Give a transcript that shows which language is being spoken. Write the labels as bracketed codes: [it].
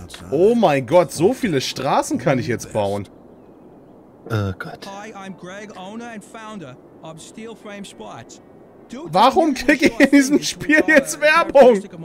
[de] Oh mein Gott, so viele Straßen kann ich jetzt bauen. Oh Gott. [en] Hi, I'm Greg, owner and founder of Steel Frame Sports. [de] Warum kriege ich in diesem Spiel jetzt Werbung?